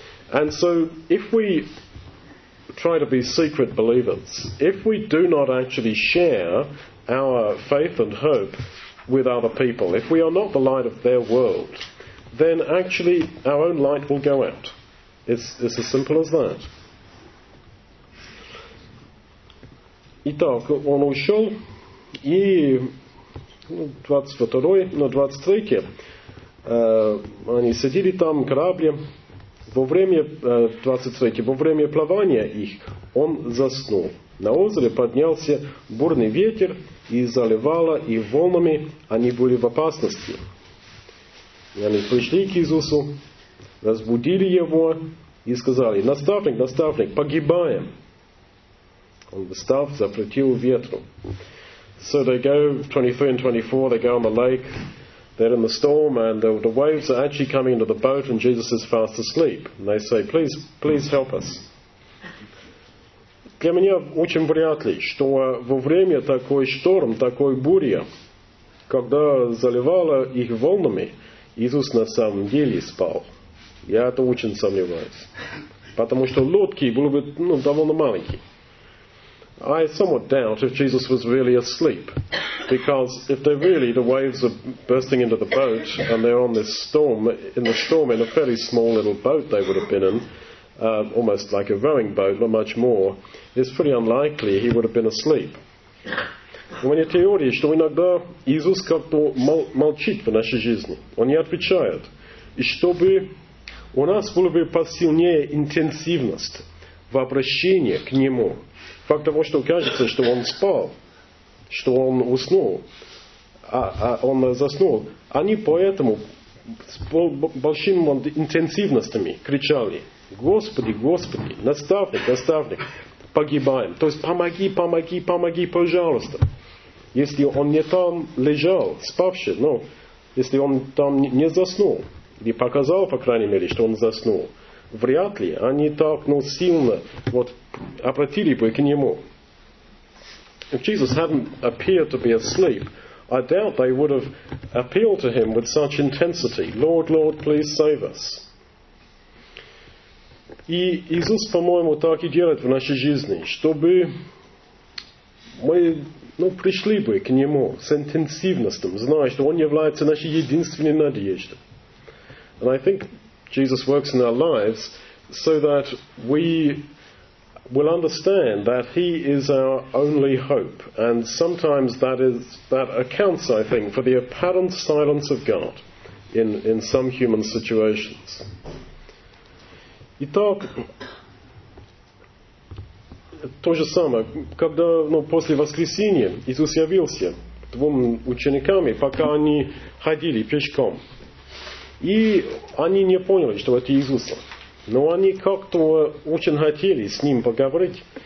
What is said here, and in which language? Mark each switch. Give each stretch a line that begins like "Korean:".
English: And so, if we try to be secret believers, if we do not actually share our faith and hope with other people, if we are not the light of their world, then actually our own light will go out. It's as simple as that.
Russian: Итак, он ушел, и 22-й, ну, 23-й, они сидели там, корабли, во время, 23-й, во время плавания их, он заснул. На озере поднялся бурный ветер, и заливало их волнами, они были в опасности. И они пришли к Иисусу, разбудили его и сказали, «Наставник, наставник, погибаем!» Он встал, запретил ветру.
English: So they go, 23 and 24, they go on the lake, they're in the storm, and the waves are actually coming into the boat, and Jesus is fast asleep. And they say, «Please, please help us!»
Russian: Для меня очень вряд ли, что во время такой шторм, такой бури, когда заливало их волнами, Иисус на самом деле спал. Я это очень сомневаюсь. Потому что лодки были бы ну, довольно маленькие.
English: I somewhat doubt if Jesus was really asleep. Because if they really, the waves are bursting into the boat, and they're on this storm, in the storm, in a fairly small little boat they would have been in, almost like a rowing boat, but much more, it's pretty unlikely he would have been asleep.
Russian: У меня теория, что иногда Иисус как-то молчит в нашей жизни. Он не отвечает. И чтобы у нас было бы посильнее интенсивность в обращении к Нему. Факт того, что кажется, что он спал, что он уснул, а он заснул, они поэтому с большими интенсивностями кричали. Господи, Господи, наставник, наставник, погибаем. То есть помоги, помоги, помоги, пожалуйста. Если он не там лежал, спавший, ну, если он там не заснул, или показал, по крайней мере, что он заснул, вряд ли они так, ну, сильно вот, обратили бы к нему.
English: If Jesus hadn't appeared to be asleep, I doubt they would have appealed to him with such intensity. Lord, Lord, please save us.
Russian: И Иисус, по-моему, так и делает в нашей жизни, чтобы мы, ну, пришли бы к Нему с интенсивностью, зная, что Он является нашей единственной надеждой.
English: And I think Jesus works in our lives so that we will understand that He is our only hope. And sometimes that accounts, I think, for the apparent silence of God in some human situations.
Russian: Итак, то же самое, когда, ну, после воскресения Иисус явился двум ученикам, пока они ходили пешком. И они не поняли, что это Иисус. Но они как-то очень хотели с Ним поговорить.